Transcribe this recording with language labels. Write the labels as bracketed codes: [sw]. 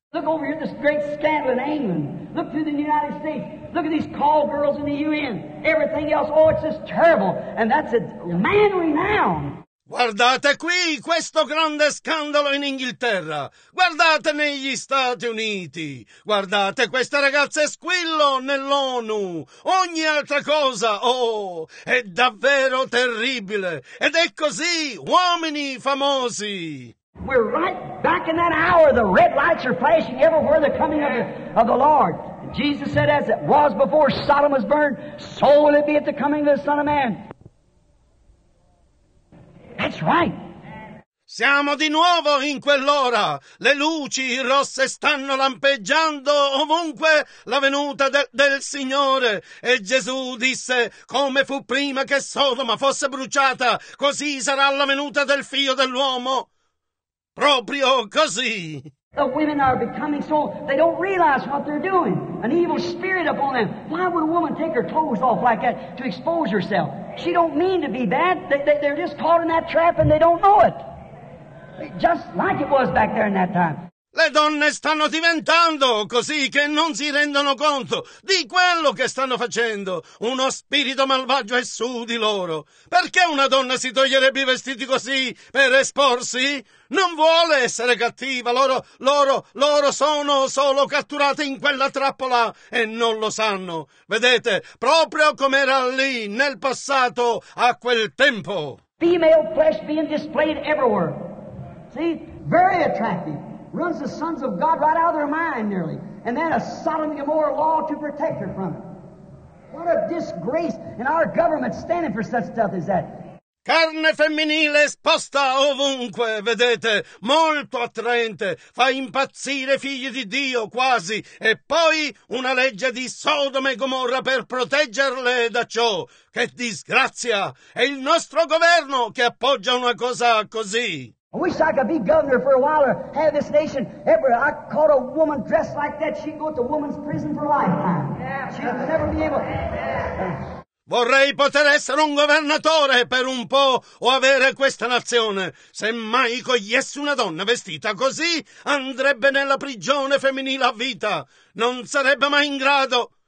[en] Look over here at this great scandal in England. Look to the United States. Look at these call girls in the UN. Everything else, oh, it's just terrible. And that's a man renown. [it] Guardate qui questo grande scandalo in Inghilterra, guardate negli Stati Uniti, guardate queste ragazze squillo nell'ONU, ogni altra cosa, oh, è davvero terribile, ed è così, uomini famosi. [en] We're right back in that hour, the red lights are flashing everywhere, the coming of the Lord. Jesus said, as it was before Sodom was burned, so will it be at the coming of the Son of Man. That's right. [it] Siamo di nuovo in quell'ora. Le luci rosse stanno lampeggiando ovunque la venuta del Signore. E Gesù disse, come fu prima che Sodoma fosse bruciata, così sarà la venuta del Figlio dell'uomo. Proprio così. [en] The women are becoming so, they don't realize what they're doing. An evil spirit upon them. Why would a woman take her clothes off like that to expose herself? She don't mean to be bad. They're just caught in that trap and they don't know it. Just like it was back there in that time. [it] Le donne stanno diventando così che non si rendono conto di quello che stanno facendo. Uno spirito malvagio è su di loro. Perché una donna si toglierebbe i vestiti così per esporsi? Non vuole essere cattiva. Loro sono solo catturate in quella trappola e non lo sanno. Vedete, proprio come era lì nel passato a quel tempo. [en] Female flesh being displayed everywhere. See? Very attractive. Runs the sons of God right out of their mind nearly. And then a Sodom and Gomorrah law to protect her from it. What a disgrace in our government standing for such stuff as that. [it] Carne femminile esposta ovunque, vedete, molto attraente, fa impazzire figli di Dio quasi, e poi una legge di Sodoma e Gomorra per proteggerle da ciò. Che disgrazia! È il nostro governo che appoggia una cosa così. [en] I wish I could be governor for a while or have this nation ever. I caught a woman dressed like that, she'd go to woman's prison for a lifetime. She'd never be able... [it] Vorrei poter essere un governatore per un po' o avere questa nazione. Se mai cogliessi una donna vestita così, andrebbe nella prigione femminile a vita. Non sarebbe mai in grado.